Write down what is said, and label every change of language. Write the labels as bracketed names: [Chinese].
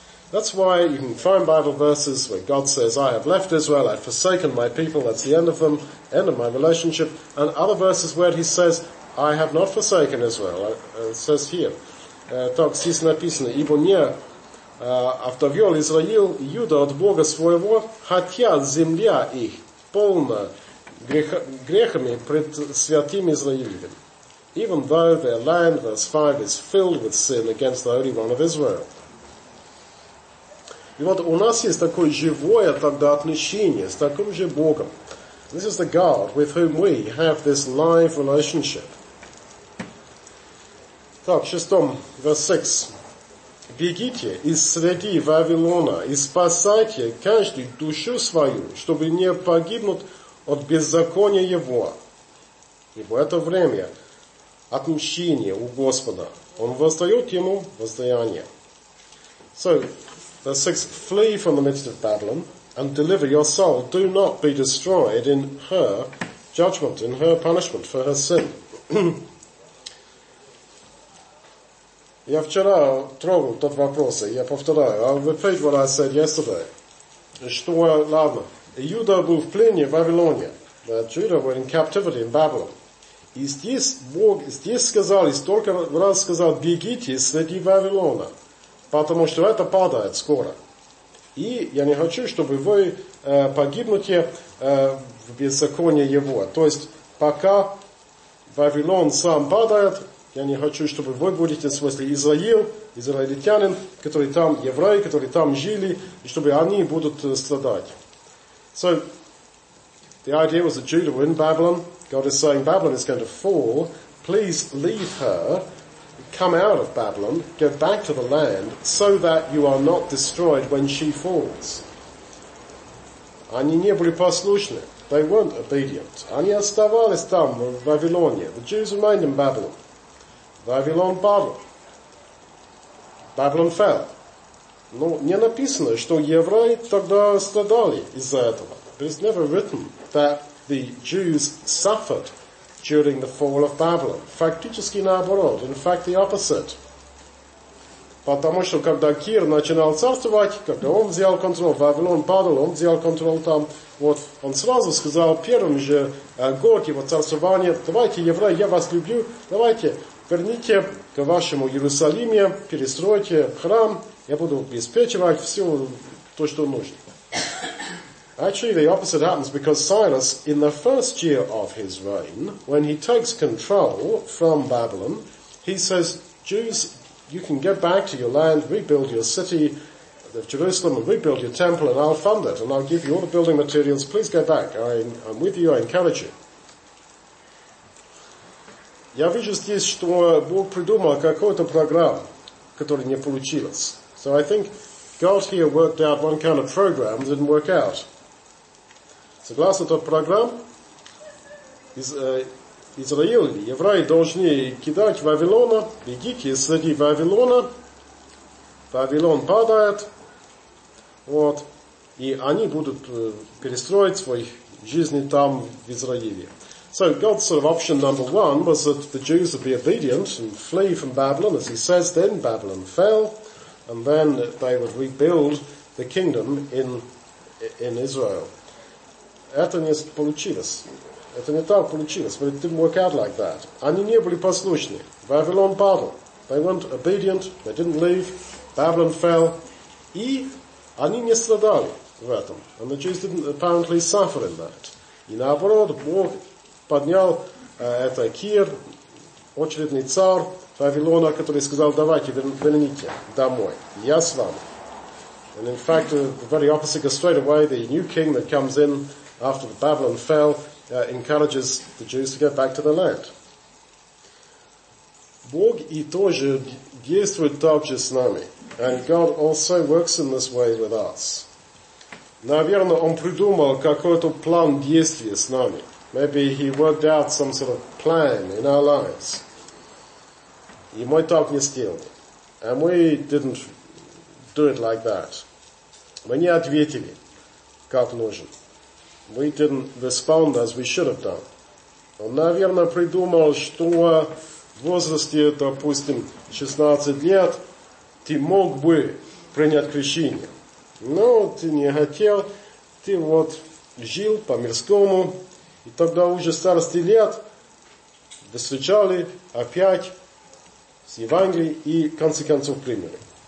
[English] That's why you can find Bible verses where God says, I have left Israel, I've forsaken my people, that's the end of them, end of my relationship. And other verses where he says, I have not forsaken Israel. It says here, [Russian] так здесь написано, ибо не отвёл Израиль Иуда от Бога своего, хотя земля их полна грехами пред святым Израилем. [English] Even though their land, verse 5, is filled with sin against the Holy One of Israel. [Russian] И вот у нас есть такое живое тогда отношение с таким же Богом. [English] This is the God with whom we have this live relationship. [Russian] Так, 6, [English] verse 6. [Russian] Бегите из среди Вавилона и спасайте каждую душу свою, чтобы не погибнуть от беззакония его. Ибо это время отмщения у Господа. Он воздает ему воздаяние. [English] So, verse 6, flee from the midst of Babylon and deliver your soul. Do not be destroyed in her judgment, in her punishment for her sin. [Russian] Я вчера трогал тот вопрос, и я повторяю. [English] I'll repeat what I said yesterday. [Russian] Что ладно. Иуда был в плене в Вавилоне. [English] Иуда were in captivity in Babylon. [Russian] И здесь Бог здесь сказал, и столько раз сказал, бегите среди Вавилона. Потому что это падает скоро. И я не хочу, чтобы вы погибнете в беззаконии его. То есть, пока Вавилон сам падает, я не хочу, чтобы вы будете, в смысле, израильтянин, которые там, евреи, которые там жили, и чтобы они будут страдать. [English] So, the idea was that Judah were in Babylon. God is saying, Babylon is going to fall. Please leave her. Come out of Babylon, go back to the land, so that you are not destroyed when she falls. [Russian] Они не были послушны. [English] They weren't obedient. [Russian] Они оставались там, в Вавилоне. [English] The Jews remained in Babylon. [Russian] Вавилон падал. [English] Babylon fell. [Russian] Но не написано, что евреи тогда страдали из-за этого. [English] It's never written that the Jews suffered during the fall of Babylon. [Russian] Фактически наоборот. [English] In fact, the opposite. [Russian] Потому что, когда Кир начинал царствовать, когда он взял контроль, Вавилон падал, он взял контроль там, вот, он сразу сказал, первым же год его царствования, давайте, евреи, я вас люблю, давайте, верните к вашему Иерусалиме, перестройте храм, я буду обеспечивать все то, что нужно. [English] Actually, the opposite happens because Cyrus, in the first year of his reign, when he takes control from Babylon, he says, Jews, you can go back to your land, rebuild your city of Jerusalem, and rebuild your temple, and I'll fund it, and I'll give you all the building materials. Please go back. I'm with you. I encourage you. [Russian] Я вижу здесь, что Бог придумал какую-то программу, которая не получилась. [English] So I think God here worked out one kind of program that didn't work out. [Russian] Согласно той программе, Израиль, евреи должны кидать Вавилона, бегите из среди Вавилона, Вавилон падает, вот, и они будут перестроить свои жизни там, в Израиле. [English] So God's sort of option number one was that the Jews would be obedient and flee from Babylon, as he says, then Babylon fell, and then they would rebuild the kingdom in Israel. [Russian] Это не получилось. Это не так получилось, [English] but it didn't work out like that. [Russian] Они не были послушны. Вавилон падал. [English] They weren't obedient, they didn't leave, Babylon fell, [Russian] и они не страдали в этом. [English] And the Jews didn't apparently suffer in that. [Russian] И наоборот, Бог поднял это Кир, очередный царь Вавилона, который сказал, давайте, верните домой, я с вами. [English] And in fact, the very opposite, because straight away, the new king that comes in after the Babylon fell, encourages the Jews to get back to the land. [Russian] Бог и тоже действует так же с нами. [English] And God also works in this way with us. [Russian] Наверное, Он придумал какой-то план действия с нами. [English] Maybe he worked out some sort of plan in our lives. [Russian] И мы так не сделали. [English] And we didn't do it like that. [Russian] Мы не ответили, как нужно. [English] We didn't respond as we should have done. [Russian] Он, наверное, придумал, что в возрасте, допустим, 16 лет, ты мог бы принять крещение. Но ты не хотел, ты вот жил по-мирскому, и тогда уже старости лет встречали опять с Евангелием и в конце концов приняли.